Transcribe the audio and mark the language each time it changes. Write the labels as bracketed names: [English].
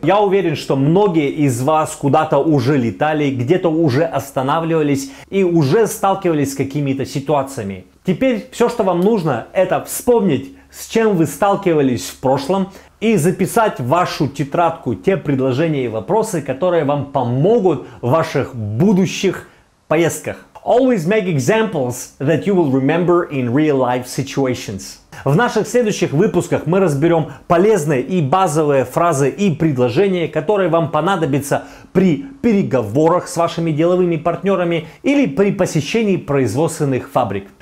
[Russian] Я уверен, что многие из вас куда-то уже летали, где-то уже останавливались и уже сталкивались с какими-то ситуациями. Теперь все, что вам нужно, это вспомнить, с чем вы сталкивались в прошлом, и записать в вашу тетрадку те предложения и вопросы, которые вам помогут в ваших будущих поездках. [English] Always make examples that you will remember in real life situations. [Russian] В наших следующих выпусках мы разберем полезные и базовые фразы и предложения, которые вам понадобятся при переговорах с вашими деловыми партнерами или при посещении производственных фабрик.